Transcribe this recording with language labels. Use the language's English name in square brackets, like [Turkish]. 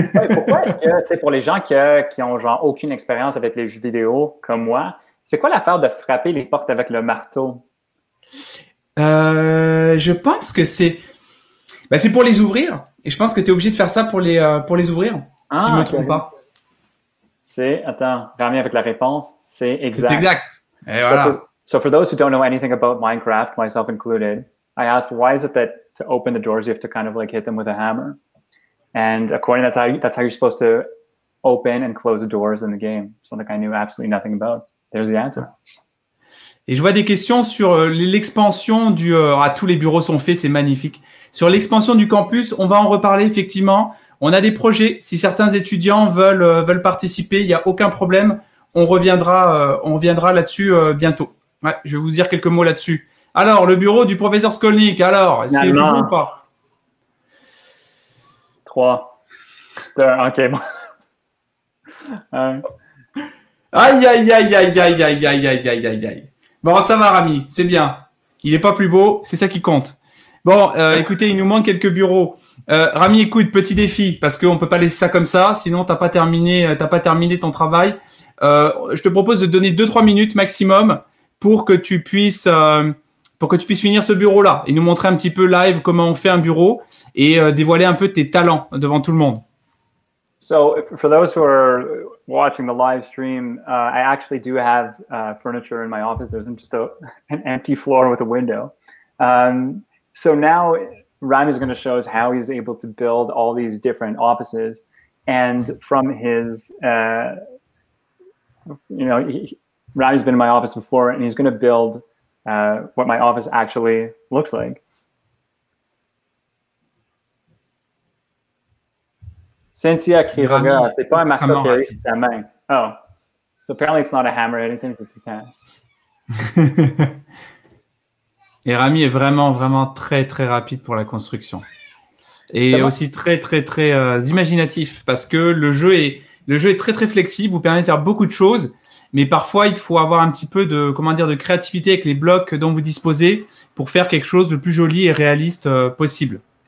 [French] Pourquoi est-ce que, tu sais, pour les gens qui ont genre aucune expérience avec les jeux vidéo comme moi, C'est quoi l'affaire de frapper les portes avec le marteau? Je pense que c'est... Ben, c'est pour les ouvrir. Et je pense que tu es obligé de faire ça pour les ouvrir, ah, si je ne me trompe pas. C'est... Attends, Rami avec la réponse. C'est exact. C'est exact. Et voilà. [English] So for those who don't know anything about Minecraft, myself included, I asked, why is it that to open the doors, you have to kind of like hit them with a hammer? And according to that, that's how you're supposed to open and close the doors in the game. Something I knew absolutely nothing about. There's the answer. [French] Et je vois des questions sur l'expansion du... tous les bureaux sont faits, c'est magnifique. Sur l'expansion du campus, on va en reparler, effectivement. On a des projets. Si certains étudiants veulent participer, il n'y a aucun problème. On reviendra là-dessus bientôt. Ouais, je vais vous dire quelques mots là-dessus. Alors, le bureau du professeur Skolnick, alors, est-ce qu'il est bon ou pas? 3. OK. Aïe. Bon, ça va, Rami, c'est bien. Il n'est pas plus beau, c'est ça qui compte. Bon, écoutez, il nous manque quelques bureaux. Rami, écoute, petit défi, parce qu'on ne peut pas laisser ça comme ça, sinon tu n'as pas terminé, ton travail. Je te propose de donner 2-3 minutes maximum pour que tu puisses finir ce bureau-là et nous montrer un petit peu live comment on fait un bureau et dévoiler un peu tes talents devant tout le monde. [English] So, for those who are watching the live stream, I actually do have furniture in my office. There's just an empty floor with a window. So now, Rami is going to show us how he's able to build all these different offices. And from his, Rami's been in my office before, and he's going to build what my office actually looks like. [French] Cynthia Quiroga, c'est pas un marteau, c'est sa main. [English] Oh, so apparently it's not a hammer or anything, it's his hand. [French] Et Rami est vraiment, vraiment très, très rapide pour la construction. Et aussi très, très, très imaginatif parce que le jeu est très, très flexible, vous permet de faire beaucoup de choses, mais parfois, il faut avoir un petit peu de créativité avec les blocs dont vous disposez pour faire quelque chose de plus joli et réaliste possible.